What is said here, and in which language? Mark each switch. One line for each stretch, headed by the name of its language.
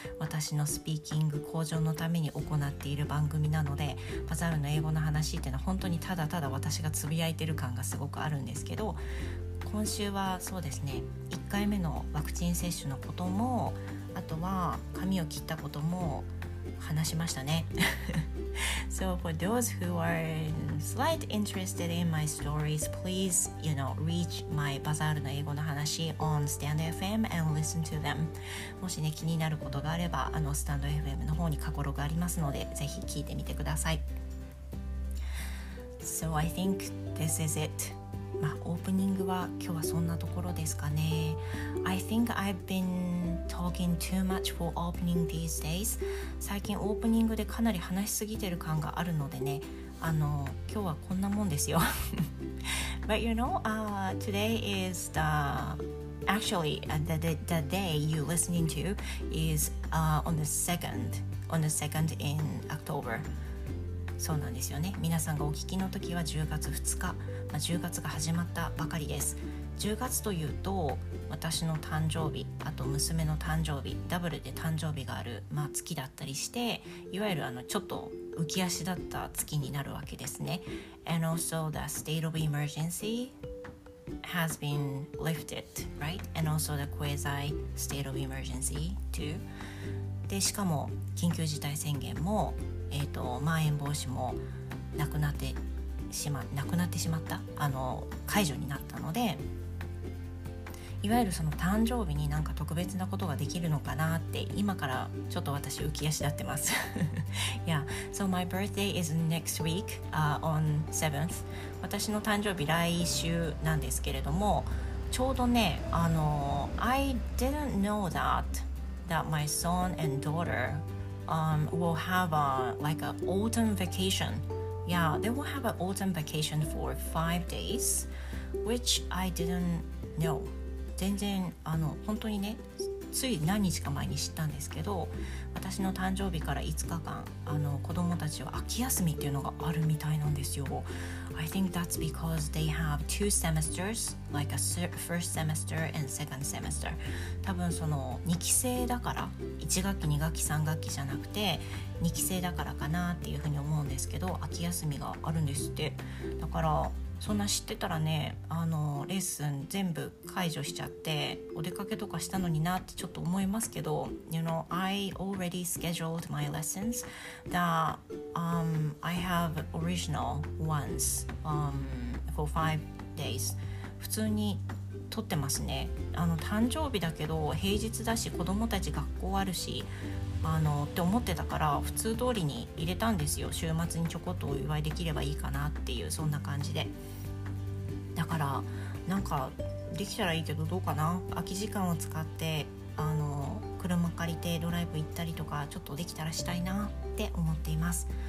Japanese: 私のスピーキング向上のために行っている番組なのでバザールの英語の話っていうのは本当にただただ私がつぶやいてる感がすごくあるんですけど今週はそうですね1回目のワクチン接種のこともあとは髪を切ったことも話しましたね。
English: So for those who are slightly interested in my stories, please, you know, reach my Bazaar の英語の話 on Stand FM and listen to them.
Japanese: もしね気になることがあれば、Stand FM の方に過去録がありますので、ぜひ聞いてみてください。
English: So I think this is it.
Japanese: まあ、オープニングは今日はそんなところですかね。
English: I think I've been talking too much for opening these days.
Japanese: 最近オープニングでかなり話しすぎてる感があるのでね。今日はこんなもんですよ。
English: But you know, today is the actually the day you listening to is on the second in October.
Japanese: そうなんですよね。皆さんがお聞きの時は10月2日、10月が始まったばかりです。 10月というと私の誕生日、あと娘の誕生日、ダブルで誕生日がある、月だったりして、いわゆるちょっと浮き足だった月になるわけですね。
English: And also the state of emergency has been lifted, right? And also the quasi state of emergency too.
Japanese: で、しかも緊急事態宣言も、まん延防止もなくなってしまった、解除になったので、いわゆるその誕生日になんか特別なことができるのかなって、今からちょっと私浮き足立ってます。
English: Yeah, so my birthday is next week, on 7th.
Japanese: 私の誕生日来週なんですけれども、ちょうどね、
English: I didn't know that my son and daughter, will have a, like a autumn vacation. Yeah, they will have an autumn vacation for 5 days, which I didn't know.
Japanese: 全然本当にね、つい何日か前に知ったんですけど、私の誕生日から5日間子供たちは秋休みっていうのがあるみたいなんですよ。
English: I think that's because they have two semesters, like a first semester and second semester.
Japanese: 多分その2期生だから、1学期2学期3学期じゃなくて2期生だからかなっていうふうに思うんですけど、秋休みがあるんですって。だからそんな知ってたらね、レッスン全部解除しちゃってお出かけとかしたのになってちょっと思いますけど、
English: You know, I already scheduled my lessons that I have original ones for 5 days.
Japanese: 普通に撮ってますね。誕生日だけど平日だし子供たち学校あるしって思ってたから、普通通りに入れたんですよ。週末にちょこっとお祝いできればいいかなっていう、そんな感じで。だからなんかできたらいいけど、どうかな、空き時間を使って車借りてドライブ行ったりとかちょっとできたらしたいなって思っています。